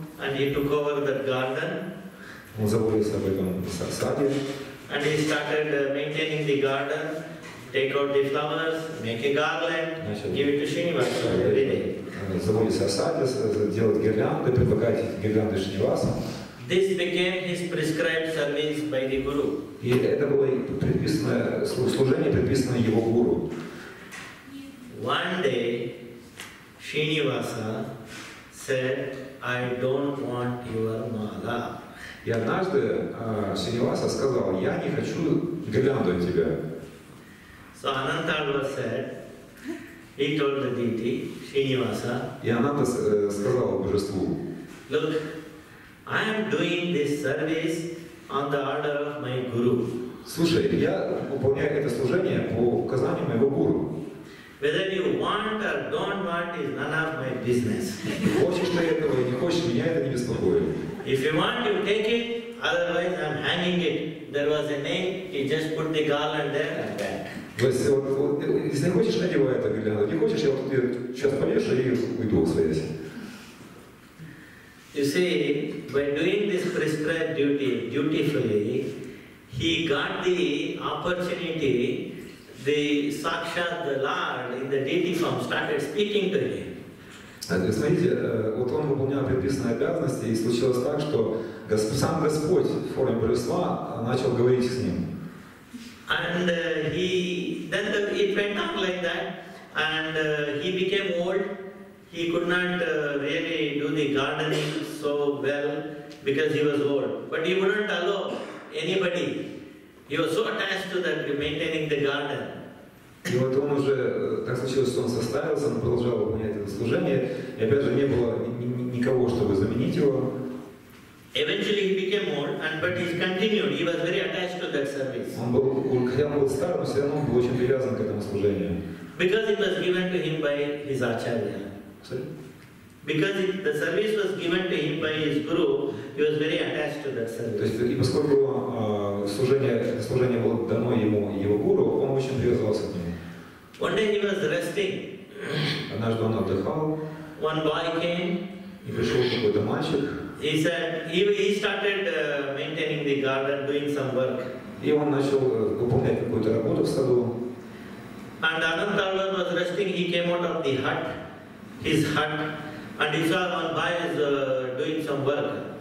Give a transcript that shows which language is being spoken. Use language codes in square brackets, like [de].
[en] And he took over that garden. [ru] Он заботился об этом саде. [en] And he started maintaining the garden, take out the flowers, make a garland, give it to Shrinivasa every day. [ru] Заботился о саде, делать гирлянды, предлагать гирлянды Шринивасу. [en] This became his prescribed service by the Guru. [ru] И это было предписано, служение предписано его Гуру. [en] One day, Shrinivasa said, I don't want your mala. [ru] И однажды Шриниваса сказал, я не хочу гирлянду от тебя. [en] So Anantarvar said, he told the deity, Shrinivasa. [ru] И Ананта сказал божеству. [en] Look, I am doing this service on the order of my Guru. [ru] Слушай, я выполняю это служение по указанию моего Гуру. [en] Whether you want or don't want is none of my business. [ru] Хочешь ты этого или не хочешь, меня это не беспокоит. [en] If you want, you take it, otherwise I'm hanging it. There was a name, he just put the garland there and back. [ru] То есть, вот, если не хочешь, надевай это гирлянду. Не хочешь, я вот тут сейчас повешу и уйду своей. [en] You see, by doing this prescribed duty dutifully, he got the opportunity, the Sakshat, the Lord, in the deity form, started speaking to him. [ru] Смотрите, вот он выполнял предписанные обязанности, и случилось так, что сам Господь в форме божества начал говорить с ним. [en] And it went up like that, and he became old. He could not really do the gardening so well because he was old. But he wouldn't allow anybody. He was so attached to that, maintaining the garden. [ru] И вот он уже, так случилось, что он состарился, он продолжал выполнять это служение, и опять же, не было никого, чтобы заменить его. [en] Eventually he became old, but he continued, he was very attached to that service. [ru] Он был, хотя он был старым, все равно он был очень привязан к этому служению. [en] Because it was given to him by his acharya. Because the service was given to him by his guru, he was very attached to that service. [ru] То есть, и поскольку служение было дано ему его гуру, он очень привязался к нему. [en] One day he was resting. [ru] Однажды он отдыхал. [en] One boy came. [ru] И пришел какой-то мальчик. [en] He said he started maintaining the garden, doing some work. [ru] И он начал выполнять какую-то работу в саду. [en] And Anantala was resting. He came out of the hut, his hut. And he saw one boy is doing some work.